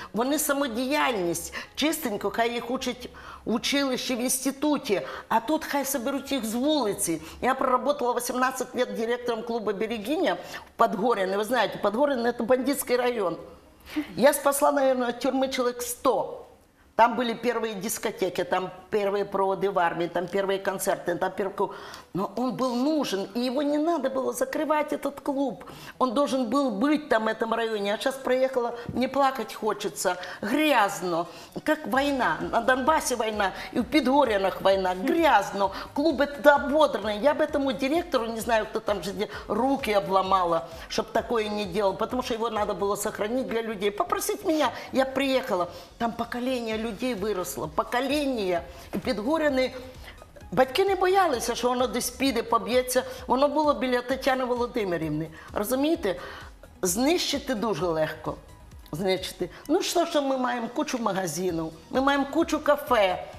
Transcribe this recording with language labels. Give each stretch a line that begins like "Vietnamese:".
Ukrainian: Вони самодіяльність, чистенько, хай їх учить в училищі, в інституті, а тут хай соберуть їх з вулиці. Я проработала 18 років директором клубу «Берегиня» в Подгорине. Ви знаєте, Подгорине – це бандитський район. Я спасла, мабуть, від тюрми чоловік 100.
Russian: Там были первые дискотеки, там первые проводы в армии, там первые концерты. Там первый... Но он был нужен, и его не надо было закрывать, этот клуб. Он должен был быть там, в этом районе. А сейчас проехала, мне плакать хочется. Грязно, как война. На Донбассе война, и в Подгорянах война. Грязно. Клуб этот ободранный. Я бы этому директору, не знаю, кто там же, руки обломала, чтобы такое не делал. Потому что его надо было сохранить для людей. Попросить меня, я приехала.
Ukrainian: Там поколение людей виросло, покоління, і підгоряни. Батьки не боялися, що воно десь піде, поб'ється. Воно було біля Тетяни Володимирівни. Розумієте? Знищити дуже легко. Знищити. Ну що, що ми маємо кучу магазинів, ми маємо кучу кафе.